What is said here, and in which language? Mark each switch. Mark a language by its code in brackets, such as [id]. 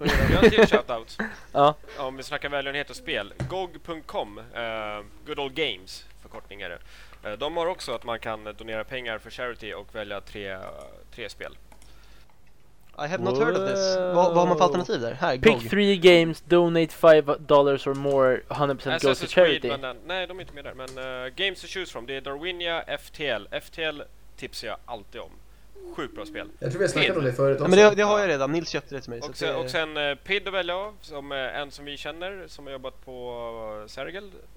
[sv] Jag har en till shoutout. Om vi snackar välgörenhet och spel. GOG.com, Good Old Games. Förkortningar. De har också att man kan donera pengar för charity och välja tre spel. [en] I have not heard of this. [sv] Vad har man för alternativ där? Här, [en] pick three games, donate $5 or more, 100% Assassin's goes to charity. [sv] Creed, nej, de är inte med där. Men [en] games to choose from, [sv] det är Darwinia, FTL. FTL tipsar jag alltid om. Sjukt bra spel. Jag tror vi snackade om det förut också. Men det har jag redan, Nils köpte det till mig. Och sen, PID att välja av, som är en som vi känner, som har jobbat på Sergel.